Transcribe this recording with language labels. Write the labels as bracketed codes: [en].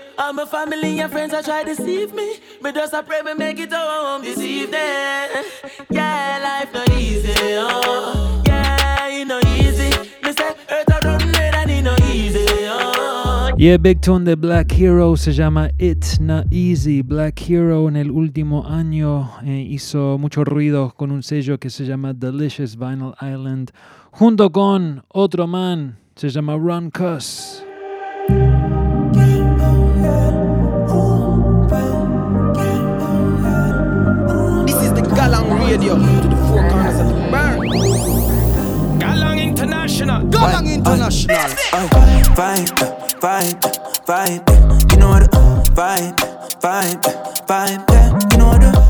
[en] All my family and friends are trying to deceive me. But just I pray we make it all home this evening. Yeah, life not easy, oh. Yeah, it not easy. Me say, earth are running red and it not easy, oh. [es] Yeah, Big Tone the Black Hero se llama It Not Easy. Black Hero en el último año hizo mucho ruido con un sello que se llama Delicious Vinyl Island. Junto con otro man, se llama Ron Cuss. [en] This is the Galang Radio to the four corners of the world. Galang International. Galang International. Vibe, you know what? Vibe, you know what?